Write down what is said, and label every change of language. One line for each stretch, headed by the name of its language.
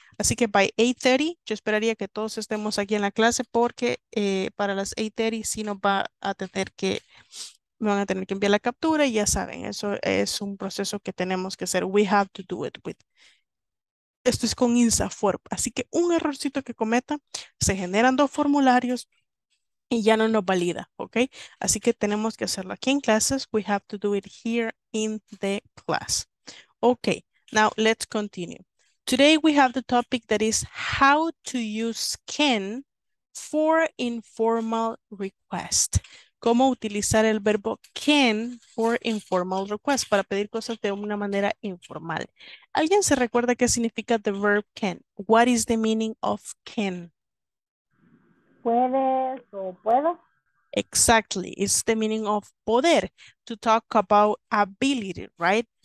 Spanish: Así que
English: by 8:30,
Spanish: yo esperaría que todos estemos aquí en la clase porque para las 8:30 sí nos va a tener que, me van a tener que enviar la captura y ya saben, eso es un proceso que tenemos que hacer.
English: We have to do it with.
Spanish: Esto es con INSAFORP, así que un errorcito que cometa, se generan dos formularios y ya no nos valida, ¿ok? Así que tenemos que hacerlo aquí en clases.
English: We have to do it here in the class. Ok, now let's continue. Today we have the topic that is how to use can for informal request.
Spanish: ¿Cómo utilizar el verbo can
English: for informal request?
Spanish: Para pedir cosas de una manera informal. ¿Alguien se recuerda qué significa
English: the verb can? What is the meaning of can?
Spanish: ¿Puedes o puedo?
English: Exactly. It's the meaning of poder. To talk about ability, right?